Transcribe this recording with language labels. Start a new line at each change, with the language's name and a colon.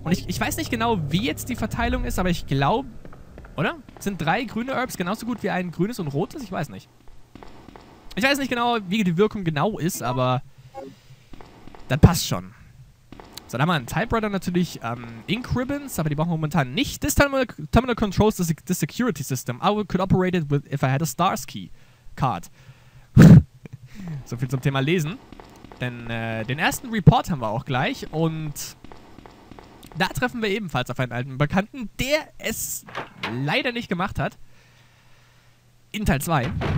German: Und ich weiß nicht genau, wie jetzt die Verteilung ist, aber ich glaube. Oder? Sind drei grüne Herbs genauso gut wie ein grünes und rotes? Ich weiß nicht. Ich weiß nicht genau, wie die Wirkung genau ist, aber das passt schon. So, da haben wir einen Typewriter natürlich, Ink Ribbons, aber die brauchen wir momentan nicht.
English: This terminal controls the security system. I could operate it with if I had a Stars Key card.
German: So viel zum Thema Lesen. Denn den ersten Report haben wir auch gleich und da treffen wir ebenfalls auf einen alten Bekannten, der es leider nicht gemacht hat. In Teil 2.